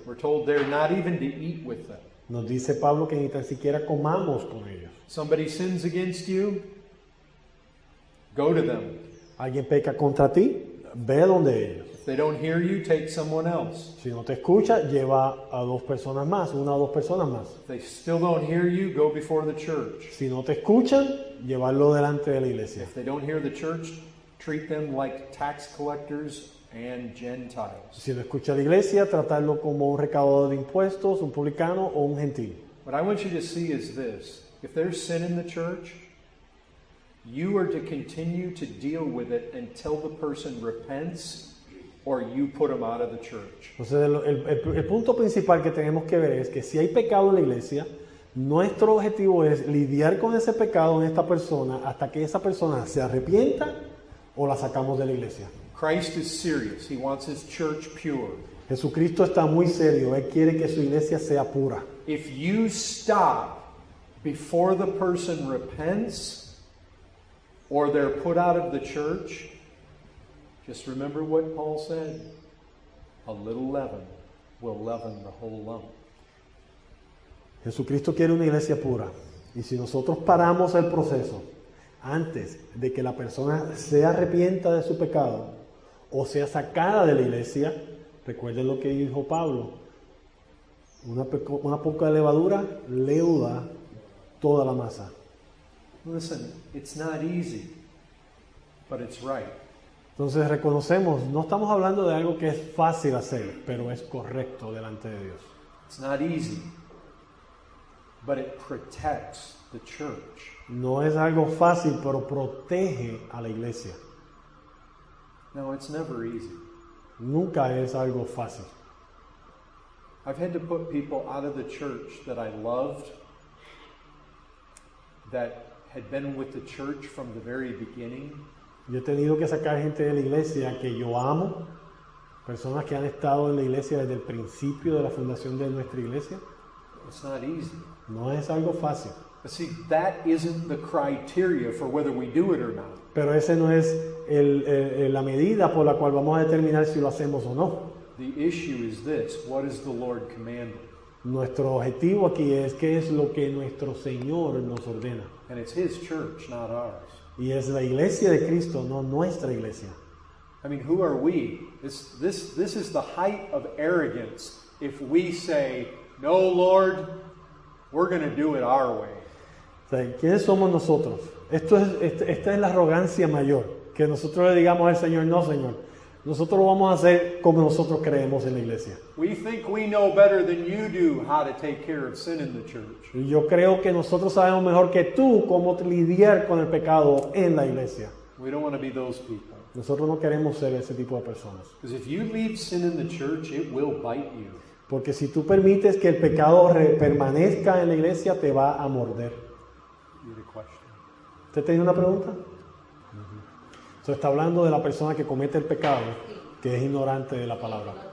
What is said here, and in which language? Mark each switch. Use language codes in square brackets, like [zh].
[en] We're told they're not even to eat with them. [es] Nos dice Pablo que ni tan siquiera comamos con ellos. [en] Somebody sins against you, go to them. [es] Alguien peca contra ti, ve donde ellos. [en] If they don't hear you, take someone else. [es] Si no te escucha, lleva a dos personas más, una o dos personas más. [en] If they still don't hear you, go before the church. [es] Si no te escuchan, llevarlo delante de la iglesia. [en] If they don't hear the church, treat them like tax collectors and Gentiles. [es] Si no escucha la iglesia, tratarlo como un recaudador de impuestos, un publicano o un gentil. [en] What I want you to see is this. If there's sin in the church, you are to continue to deal with it until the person repents or you put them out of the church. [es] Entonces, el punto principal que tenemos que ver es que si hay pecado en la iglesia, nuestro objetivo es lidiar con ese pecado en esta persona hasta que esa persona se arrepienta o la sacamos de la iglesia. [en] Christ is serious. He wants his church pure. [es] Jesucristo está muy serio. Él quiere que su iglesia sea pura. [en] If you stop before the person repents or they're put out of the church, just remember what Paul said. A little leaven will leaven the whole lump. [es] Jesucristo quiere una iglesia pura. Y si nosotros paramos el proceso antes de que la persona se arrepienta de su pecado o sea sacada de la iglesia, recuerden lo que dijo Pablo, una poca levadura leuda toda la masa. [en] Listen, it's not easy, but it's right. [es] Entonces reconocemos, no estamos hablando de algo que es fácil hacer, pero es correcto delante de Dios. [en] It's not easy, but it protects the church. [es] No es algo fácil, pero protege a la iglesia. [en] No, it's never easy. [es] Nunca es algo fácil. [en] I've had to put people out of the church that I loved, that had been with the church from the very beginning. [es] Yo he tenido que sacar gente de la iglesia que yo amo, personas que han estado en la iglesia desde el principio de la fundación de nuestra iglesia. [en] It's not easy. [es] No es algo fácil. [en] But see, that isn't the criteria for whether we do it or not. [es] Pero ese no es la medida por la cual vamos a determinar si lo hacemos o no. [en] The issue is this: what is the Lord commanding? [es] Nuestro objetivo aquí es qué es lo que nuestro Señor nos ordena. [en] And it's His church, not ours. [es] Y es la iglesia de Cristo, no nuestra iglesia. [en] I mean, who are we? This is the height of arrogance if we say, "No, Lord, we're going to do it our way." [es] ¿Quiénes somos nosotros? Esta es la arrogancia mayor, que nosotros le digamos al Señor, "No, Señor, nosotros lo vamos a hacer como nosotros creemos en la iglesia." [en] We think we know better than you do how to take care of sin in the church. [es] Yo creo que nosotros sabemos mejor que tú cómo lidiar con el pecado en la iglesia. [en] We don't want to be those people. [es] Nosotros no queremos ser ese tipo de personas. [en] Because if you leave sin in the church, it will bite you. [es] Porque si tú permites que el pecado permanezca en la iglesia, te va a morder. ¿Usted tiene una pregunta? Se está hablando de la persona que comete el pecado, que es ignorante de la palabra.